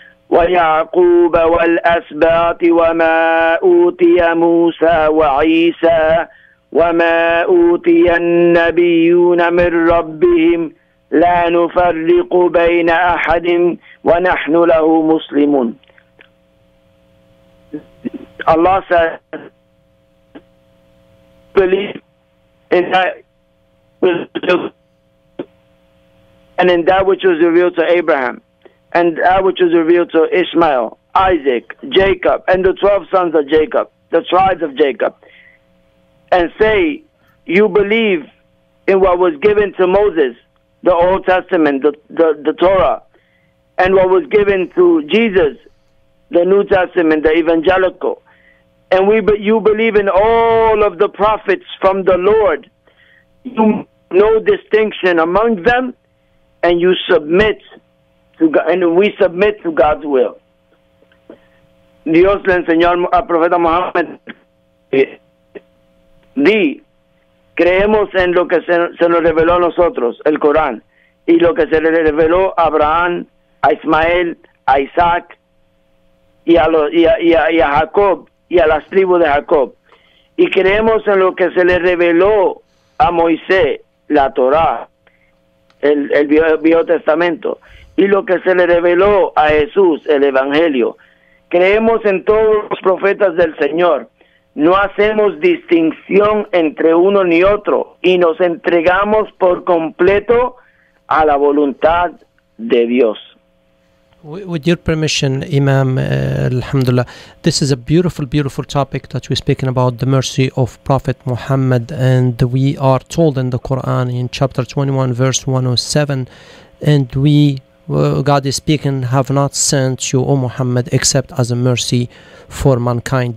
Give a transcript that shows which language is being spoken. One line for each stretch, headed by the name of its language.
Arabic: ويعقوب والأسباط وما أوتي موسى وعيسى وما أوتي النبيون من ربهم لا نفرق بين أحد ونحن له مسلمون.
English: Allah says, believe in that, and in that which was revealed to Abraham, and that which was revealed to Ishmael, Isaac, Jacob, and the 12 sons of Jacob, the tribes of Jacob, and say, you believe in what was given to Moses, the Old Testament, the Torah, and what was given to Jesus, the New Testament, the Evangelical. And you believe in all of the prophets from the Lord. You make no distinction among them, and you submit to God, and we submit to God's will.
Spanish: Dios le enseñó al profeta Muhammad, di, creemos en lo que se nos reveló a nosotros, el Corán. Y lo que se le reveló a Abraham, a Ismael, a Isaac, y a Jacob, y a las tribus de Jacob. Y creemos en lo que se le reveló a Moisés, la Torah. el Viejo Testamento, y lo que se le reveló a Jesús, el Evangelio. Creemos en todos los profetas del Señor. No hacemos distinción entre uno ni otro, y nos entregamos por completo a la voluntad de Dios.
English: With your permission, Imam, alhamdulillah, this is a beautiful, beautiful topic that we're speaking about, the mercy of Prophet Muhammad. And we are told in the Quran in chapter 21, verse 107, and we, God is speaking, have not sent you, O Muhammad, except as a mercy for mankind.